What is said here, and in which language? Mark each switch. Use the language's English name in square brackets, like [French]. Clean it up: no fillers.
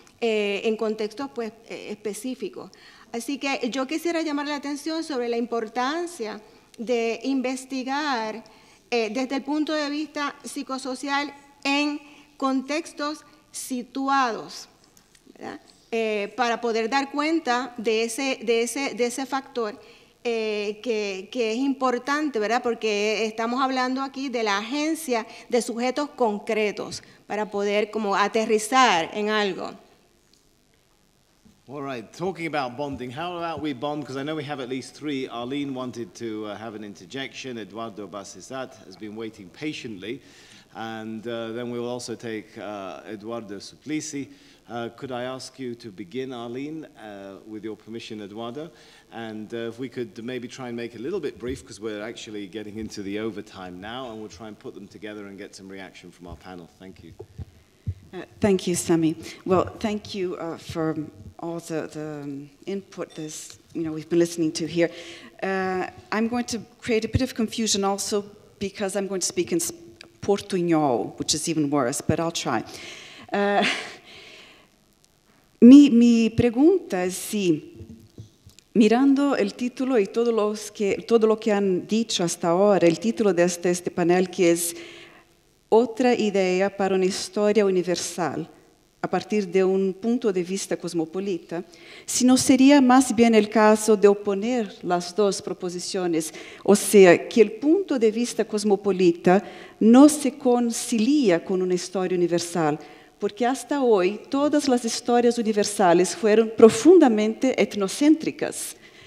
[Spanish] En contextos pues, específicos. Así que yo quisiera llamar la atención sobre la importancia de investigar desde el punto de vista psicosocial en contextos situados, ¿verdad? Para poder dar cuenta de ese factor que es importante, ¿verdad? Porque estamos hablando aquí de la agencia de sujetos concretos para poder como aterrizar en algo. [English] All right, talking about bonding, how about we bond, because I know we have at least three. Arlene wanted to have an interjection. Eduardo Bassisat has been waiting patiently. And then we will also take Eduardo Suplicy. Could I ask you to begin, Arlene, with your permission, Eduardo? And if we could maybe try and make it a little bit brief, because we're actually getting into the overtime now, and we'll try and put them together and get some reaction from our panel. Thank you. Thank you, Sammy. Well, thank you for all the input this, you know, we've been listening to here. I'm going to create a bit of confusion also because I'm going to speak in Portuñol, which is even worse, but I'll try. [Spanish] Mi pregunta es si, mirando el título y todo lo que han dicho hasta ahora, el título de este panel, que es Otra idea para una historia universal, a partir de un punto de vista cosmopolita, si no sería más bien el caso de oponer las dos proposiciones, o sea, que el punto de vista cosmopolita no se concilia con una historia universal, porque hasta hoy todas las historias universales fueron profundamente etnocéntricas.